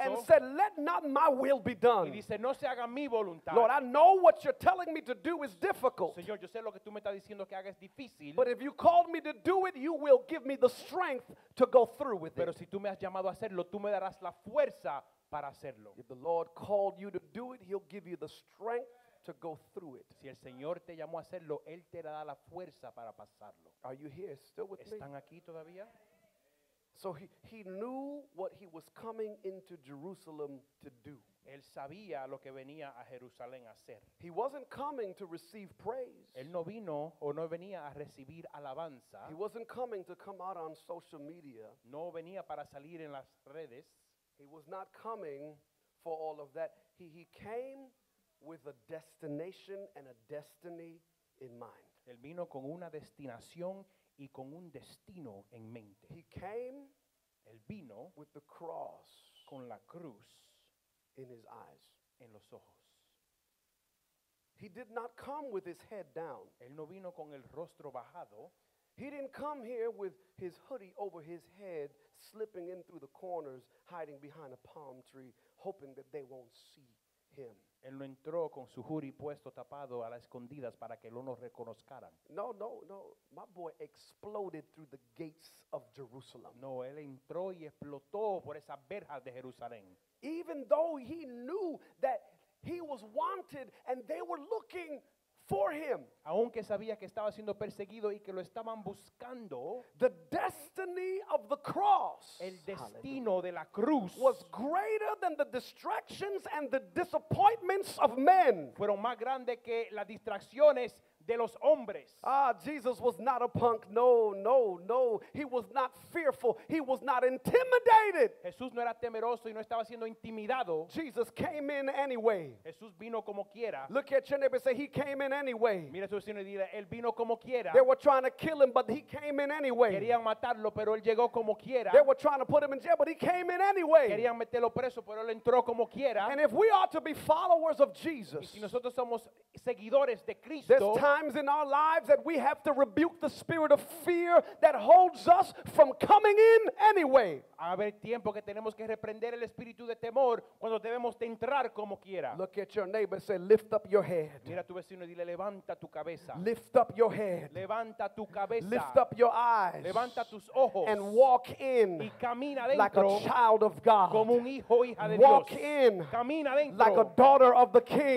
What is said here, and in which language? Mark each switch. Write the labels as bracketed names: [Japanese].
[English] And said, let not my will be done. [Spanish] Y dice, no se haga mi voluntad. [English] Lord, I know what you're telling me to do is difficult. [Spanish] Señor, yo sé lo que tú me estás diciendo que haga es difícil. [English] But if you called me to do it, you will give me the strength to go through with it. [Spanish] Pero si tú me has llamado a hacerlo, tú me darás la fuerza. Para hacerlo. [English] If the Lord called you to do it, he'll give you the strength to go through it. [Spanish] Si el Señor te llamó a hacerlo, él te dará la fuerza para pasarlo. [English] Are you here still with [Spanish] ¿Están [English] me? [Spanish] ¿Están aquí todavía? [English] So he knew what he was coming into Jerusalem to do. [Spanish] Él sabía lo que venía a Jerusalén a hacer. [English] He wasn't coming to receive praise. [Spanish] Él no vino o no venía a recibir alabanza. [English] He wasn't coming to come out on social media. [Spanish] No venía para salir en las redes. [English] He was not coming for all of that. He came with a destination and a destiny in mind. [Spanish] Él vino con una destinación y con un destino en mente. [English] He came, [Spanish] él vino, [English] with the cross, [Spanish] con la cruz, [English] in his eyes, [Spanish] en los ojos. [English] He did not come with his head down. [Spanish] Él no vino con el rostro bajado. [English] He didn't come here with his hoodie over his head, slipping in through the corners, hiding behind a palm tree, hoping that they won't see him. [Spanish] Él no entró con su hoodie puesto tapado a las escondidas para que no lo reconozcaran. [English] No, no, no. My boy exploded through the gates of Jerusalem. [Spanish] No, él entró y explotó por esas verjas de Jerusalén. [English] Even though he knew that he was wanted and they were looking for him. [Spanish] Aunque sabía que estaba siendo perseguido y que lo estaban buscando, [English] the destiny of the cross, [Spanish] el destino de la cruz, [English] was greater than the distractions and the disappointments of men. [Spanish] Fueron más grandes que las distracciones de los hombres. [English] Ah, Jesus was not a punk. No, no, no. He was not fearful. He was not intimidated. [Spanish] Jesús no era temeroso y no estaba siendo intimidado. [English] Jesus came in anyway. [Spanish] Jesús vino como quiera. [English] Look at your neighbor and say, he came in anyway. [Spanish] Mira a tu vecino y dile, él vino como quiera. [English] They were trying to kill him, but he came in anyway. [Spanish] Querían matarlo, pero él llegó como quiera. [English] They were trying to put him in jail, but he came in anyway. [Spanish] Querían meterlo preso, pero él entró como quiera. [English] And if we ought to be followers of Jesus, [Spanish] y si nosotros somos seguidores de Cristo, [English] there's times in our lives that we have to rebuke the spirit of fear that holds us from coming in anyway. [Spanish] Haber tiempo que tenemos que reprender el espíritu de temor cuando debemos de entrar como quiera. [English] Look at your neighbor and say, lift up your head. [Spanish] Mira a tu vecino y dile, levanta tu cabeza. [English] Lift up your head. [Spanish] Levanta tu cabeza. [English] Lift up your eyes. [Spanish] Levanta tus ojos. [English] And walk in. [Spanish] Y camina dentro. [English] Like a child of God. [Spanish] Como un hijo o hija de Dios. [English] Walk in. [Spanish] Camina dentro. [English] Like a daughter of the King.